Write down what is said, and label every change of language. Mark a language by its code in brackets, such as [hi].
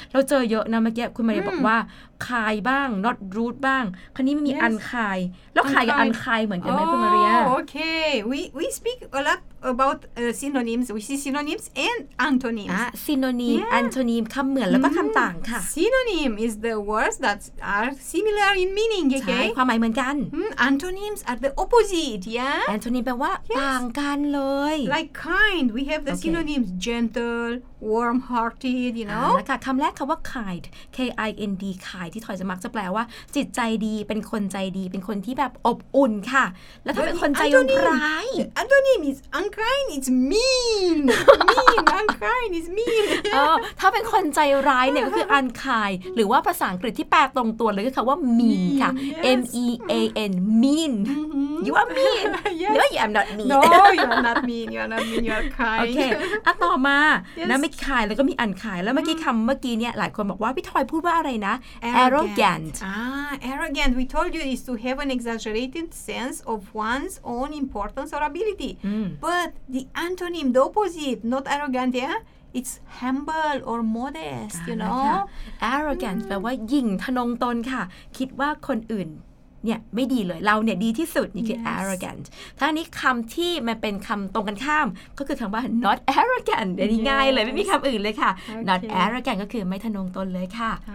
[th] เราเจอเยอะนะเมื่อกี้คุณมาเรียบอกว่าคายบ้าง [en] not rude [th] บ้างคราวนี้ไม่มี yes. อันคายแล้วคายกับอันคายเหมือนกันไหมคุณมาเรีย [en] okay we speak a lot about synonyms we see synonyms and antonyms synonym yeah. [th] antonym คำเหมือนแล้วก็คำต่างค่ะ [en] synonym is the words that are similar in meaning okay [th] ใช่ความหมายเหมือนกัน [en] antonyms are the opposite yeah [th] antonym แปลว่า yes. ต่างกันเลย [en] like kind we have the okay. synonyms gentle warm hearted you know [th] ค่ะคำแรกคำว่า kind k i n d kind ที่ถอยจะมักจะแปลว่าจิตใจดีเป็นคนใจดีเป็นคนที่แบบอบอุ่นค่ะแล้วถ้าเป็นคนใจร้าย [en] antonym isUnkind is mean. Unkind is mean. [th] ถ้าเป็นคนใจร้ายเนี่ยก็คือ unkind หรือว่าภาษาอังกฤษที่แปลตรงตัวเลยก็คือว่า mean ค่ะ M E A N mean. [en] You are mean. No, you are not mean. No, you are not mean. You are not mean. You are kind. Okay. [th] อ่ะต่อมานะไม่ kind แล้วก็มี unkind แล้วเมื่อกี้คำเมื่อกี้เนี่ยหลายคนบอกว่าพี่ทอยพูดว่าอะไรนะ arrogant. [en] Arrogant. We told you is to have an exaggerated sense of one's own importance or ability. But the antonym, the opposite, not arrogant, yeah? It's humble or modest, you know? [th] Arrogant แปลว่าหยิ่งทนงตนค่ะคิดว่าคนอื่นเนี่ยไม่ดีเลยเราเนี่ยดีที่สุดนี่คือ arrogant ถ้านี้คำที่มันเป็นคำตรงกันข้ามก็คือคำว่า [en] not arrogant [th] เดี๋ยวนี้ง่ายเลยไม่มีคำอื่นเลยค่ะ okay. not arrogant ก็คือไม่ทะนงตนเลยค่ะ